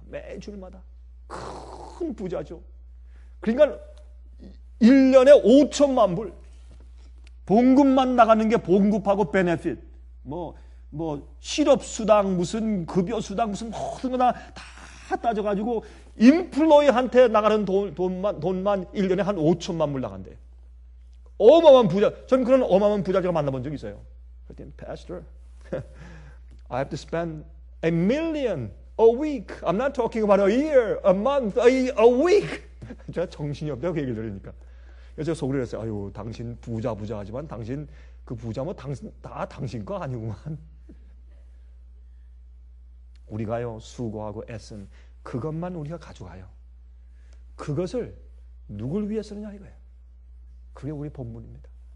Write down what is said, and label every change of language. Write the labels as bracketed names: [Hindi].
[Korean] 매주일마다 큰 부자죠. 그러니까 1년에 5천만 불 봉급만 나가는 게 봉급하고 베네핏 뭐 실업수당 무슨 급여수당 무슨 모든 거 다 따져가지고 임플로이한테 나가는 돈만 1년에 한 5천만 불 나간대. 어마어마한 부자. 저는 그런 어마어마한 부자 제가 만나본 적 있어요. [English] 그때 Pastor, I have to spend a million a week. I'm not talking about a year, a month, a week. [Korean] 제가 정신이 없다고 얘기를 들으니까. 그래서 제가 속으로 그랬어요. 아유, 당신 부자 부자 하지만 당신 그 부자 뭐 당신 다 당신 거 아니구만. 우리가요 수고하고 애쓴 그것만 우리가 가져가요. 그것을 누굴 위해 쓰느냐 이거예요. 그게 우리 본분입니다.